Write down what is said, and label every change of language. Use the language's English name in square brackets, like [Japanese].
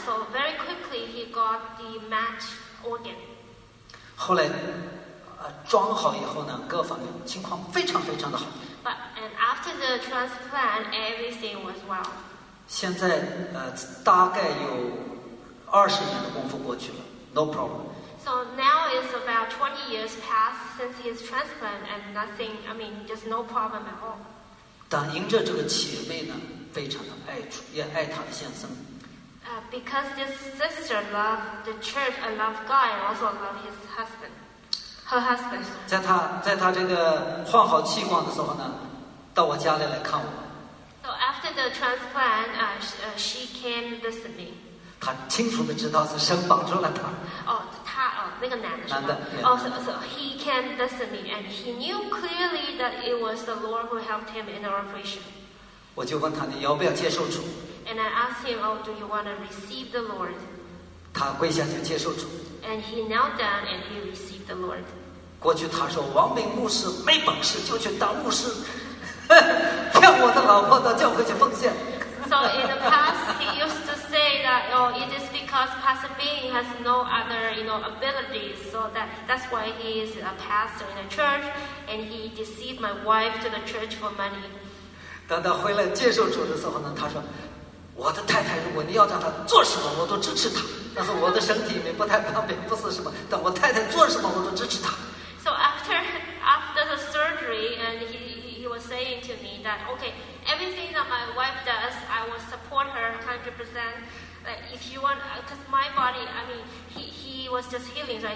[English] So very quickly he got the match organ. [Chinese] 后来装好以后呢，各方面情况非常非常的好。 [English] But and after the transplant, everything was well. [Chinese] 现在大概有20年的功夫过去了 ， [English] no problem. So now it's about 20 years passed since his transplant, and nothing. I mean, just no problem at all. 但因着这个姐妹呢，非常的爱主，也爱她的先生。 Because this sister loved the church and loved God, and also loved his husband. Her [Chinese] 在他这个换好器官的时候呢，到我家里来看我。 [English] So after the transplant, she came visit me. [Chinese] 他清楚的知道是神帮助了他。那个男的。 [English] Also, he came visit me, and he knew clearly that it was the Lord who helped him in the operation. [Chinese] 我就问他，你要不要接受主 [English] ？And I asked him, "Oh, do you want to receive the Lord?" [Chinese] 他跪下就接受主。 [English] And he knelt down and he received the Lord. [Chinese] 过去他说王明牧师没本事就去当牧师，骗我的老婆到教会去奉献。 [English] So in the past he used to say that, oh, it is because Pastor Bing has no other, you know, abilities, so that's why he is a pastor in a church, and he deceived my wife to the church for money. [Chinese] 等他回来接受主的时候呢，他说我的太太，如果你要让她做什么，我都支持她。但是我的身体里面不太方便，不是什么。但我太太做什么，我都支持她。 [English] So after the surgery, and he was saying to me that okay, everything that my wife does, I will support her 100%. Like if you want, because my body, I mean, he was just healing, right?